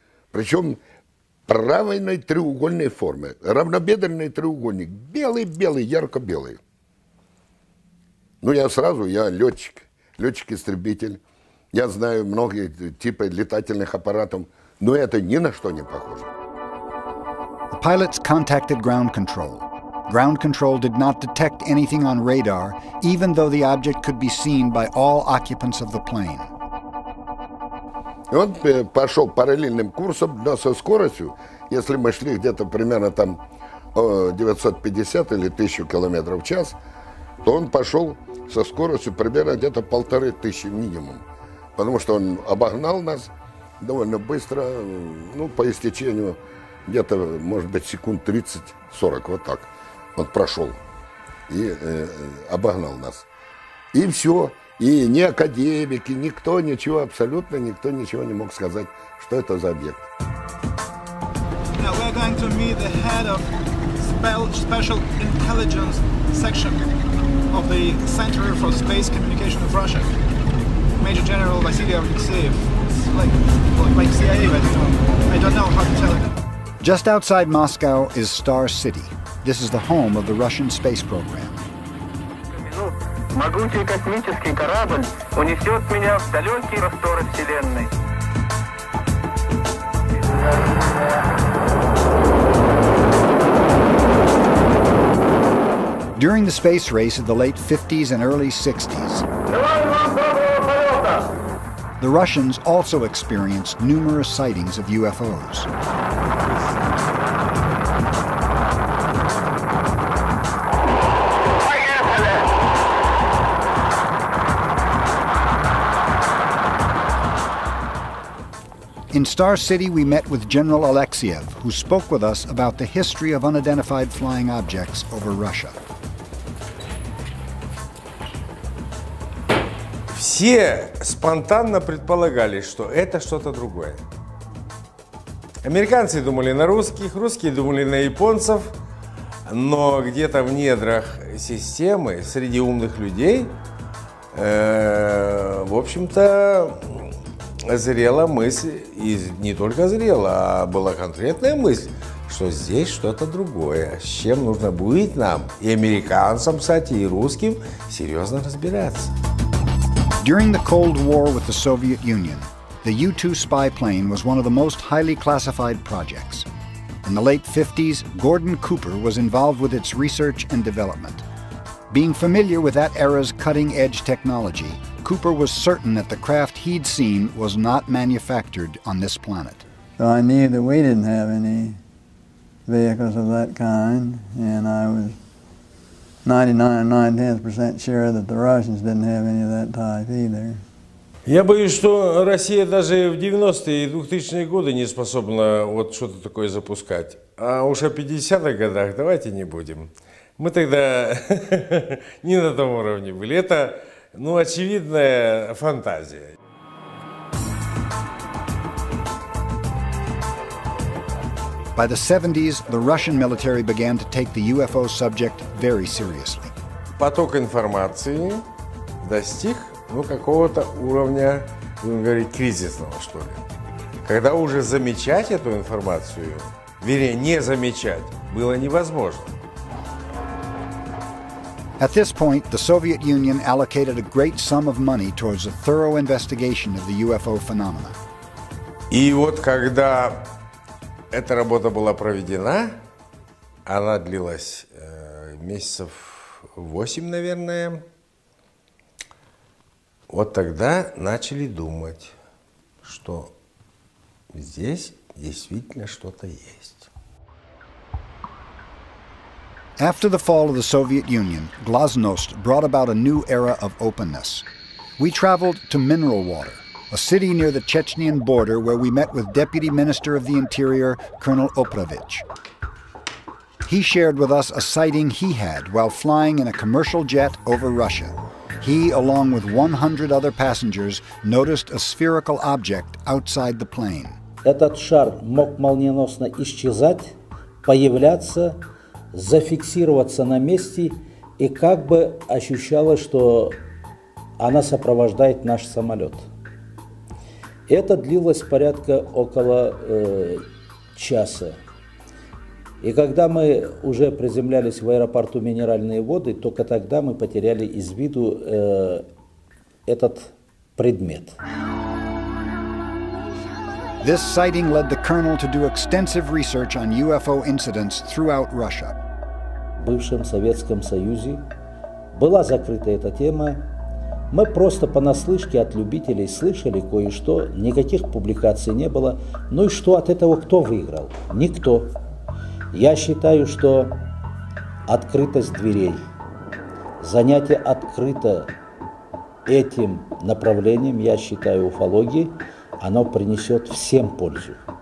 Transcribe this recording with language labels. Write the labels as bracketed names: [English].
[Russian] Причем правильной треугольной формы, равнобедренный треугольник, белый-белый, ярко-белый. Ну, я сразу, я летчик, летчик-истребитель, я знаю многие типы летательных аппаратов, но это ни на что не похоже. [English] The pilots contacted ground control. Ground control did not detect anything on radar, even though the object could be seen by all occupants of the plane. [Russian] И он пошел параллельным курсом, но со скоростью, если мы шли где-то примерно там 950 или 1000 километров в час, то он пошел со скоростью примерно где-то 1500 минимум. Потому что он обогнал нас довольно быстро, ну, по истечению где-то, может быть, секунд 30-40, вот так. Он прошел и обогнал нас. И все. И ни академики, никто ничего, абсолютно никто ничего не мог сказать, что это за объект. [English] Now we're going to meet the head of Special Intelligence Section of the Center for Space Communication of Russia, Major General Vasily Alexeyev. Like CIA, but I don't know how to tell it. Just outside Moscow is Star City. This is the home of the Russian space program. [Russian] Могучий космический корабль унесет меня в далекие просторы Вселенной. [English] During the space race of the late 50s and early 60s, the Russians also experienced numerous sightings of UFOs. In Star City, we met with General Alexeyev, who spoke with us about the history of unidentified flying objects over Russia. [Russian] Все спонтанно предполагали, что это что-то другое. Американцы думали на русских, русские думали на японцев, но где-то в недрах системы, среди умных людей, в общем-то, зрела мысль, и не только зрела, а была конкретная мысль, что здесь что-то другое, с чем нужно будет нам, и американцам, кстати, и русским, серьезно разбираться. [English] During the Cold War with the Soviet Union, the U-2 spy plane was one of the most highly classified projects. In the late 50s, Gordon Cooper was involved with its research and development. Being familiar with that era's cutting-edge technology, Cooper was certain that the craft he'd seen was not manufactured on this planet. So I knew that we didn't have any vehicles of that kind, and I was 99 9/10% sure that the Russians didn't have any of that type either. [Russian] Я боюсь, что Россия даже в 90-е и 2000-е годы не способна вот что-то такое запускать. А уж о 50-х годах давайте не будем. Мы тогда не на том уровне были. Это, ну, очевидная фантазия. [English] By the 70s, the Russian military began to take the UFO subject very seriously. [Russian] Поток информации достиг, ну, какого-то уровня, будем говорить, кризисного, что ли. Когда уже замечать эту информацию, вернее, не замечать, было невозможно. [English] At this point, the Soviet Union allocated a great sum of money towards a thorough investigation of the UFO phenomena. [Russian] И вот когда эта работа была проведена, она длилась месяцев 8, наверное, вот тогда начали думать, что здесь действительно что-то есть. [English] After the fall of the Soviet Union, Glasnost brought about a new era of openness. We traveled to Mineral Water, a city near the Chechnyan border, where we met with Deputy Minister of the Interior, Colonel Oprovich. He shared with us a sighting he had while flying in a commercial jet over Russia. He, along with 100 other passengers, noticed a spherical object outside the plane. [Russian] Этот шар мог молниеносно исчезать, появляться, зафиксироваться на месте, и как бы ощущалось, что она сопровождает наш самолет. Это длилось порядка около часа. И когда мы уже приземлялись в аэропорту Минеральные воды, только тогда мы потеряли из виду этот предмет. [English] This sighting led the colonel to do extensive research on UFO incidents throughout Russia. [Russian] В бывшем Советском Союзе была закрыта эта тема. Мы просто понаслышке от любителей слышали кое-что, никаких публикаций не было. Ну и что от этого кто выиграл? Никто. Я считаю, что открытость дверей, занятие открыто этим направлением, я считаю, уфологии, оно принесет всем пользу.